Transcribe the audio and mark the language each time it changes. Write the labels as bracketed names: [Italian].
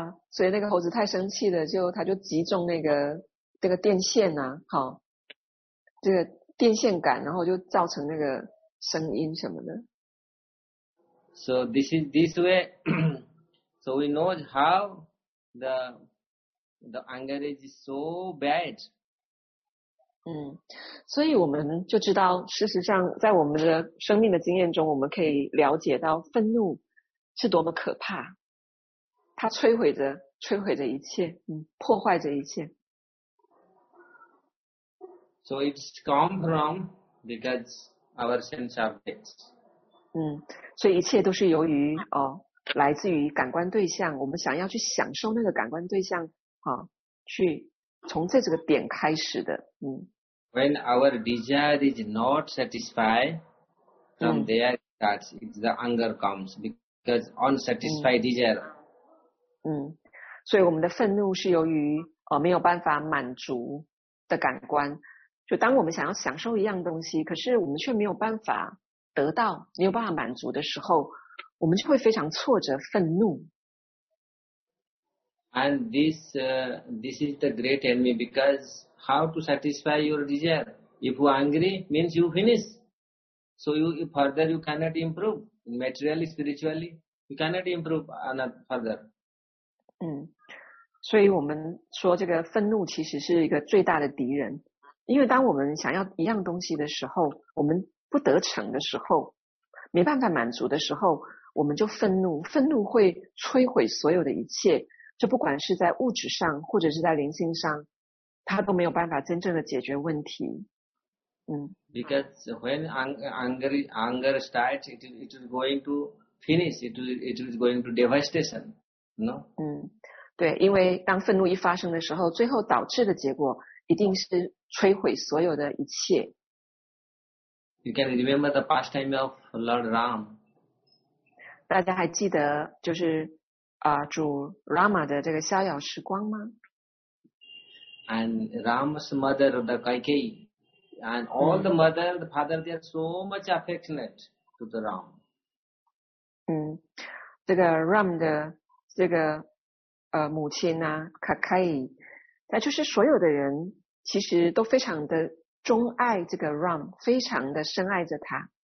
[Chinese] 所以那个猴子太生气了，就他就击中那个电线啊，好，这个电线杆，然后就造成那个声音什么的。 [English] So this way, so we know how the anger is so bad. [Chinese] 所以我们就知道，事实上，在我们的生命的经验中，我们可以了解到愤怒是多么可怕，它摧毁着一切，破坏着一切。 [English] So it's come from because our sense objects. [Chinese] 所以一切都是由于来自于感官对象，我们想要去享受那个感官对象去从这个点开始的。 [English] When our desire is not satisfied, from there that the anger comes because unsatisfied desire. [Chinese] 所以我们的愤怒是由于没有办法满足的感官。就当我们想要享受一样东西，可是我们却没有办法得到，没有办法满足的时候，我们就会非常挫折、愤怒。 [English] And this is the great enemy because how to satisfy your desire? If you are angry, means you finish. So you further you cannot improve materially, spiritually. You cannot improve another further. [Chinese] 所以我们说这个愤怒其实是一个最大的敌人。因为当我们想要一样东西的时候，我们不得逞的时候，没办法满足的时候，我们就愤怒，愤怒会摧毁所有的一切，就不管是在物质上或者是在灵性上，它都没有办法真正的解决问题。 [English] Because when anger starts, it is going to finish, it is going to devastation, no? [Chinese] 对，因为当愤怒一发生的时候，最后导致的结果一定是摧毁所有的一切。 [English] You can remember the pastime of Lord Ram. [Chinese] 大家还记得就是主 Rama 的这个逍遥时光吗？ [English] And Ram's mother, the Kaikeyi, and all the mother, the father, they are so much affectionate to the Ram. [Chinese] 这个 Ram 的这个母亲啊 Kaikeyi, 那就是所有的人其实都非常的钟爱这个 Ram, 非常的深爱着他。